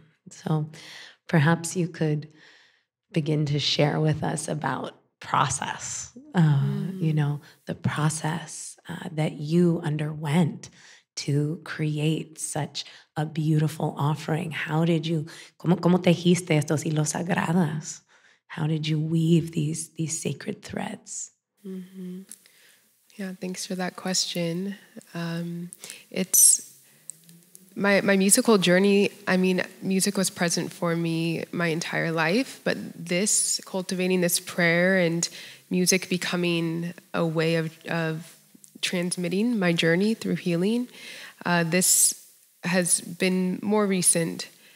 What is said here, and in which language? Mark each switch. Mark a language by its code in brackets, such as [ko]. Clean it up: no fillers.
[en] So perhaps you could begin to share with us about process, you know, the process that you underwent to create such a beautiful offering. How did you, [es] ¿cómo tejiste estos hilos sagrados? [en] How did you weave these sacred threads? Mm-hmm. Yeah, thanks for that question. It's my musical journey. I mean, music was present for me my entire life, but this, cultivating this prayer and music becoming a way of transmitting my journey through healing, this has been more recent.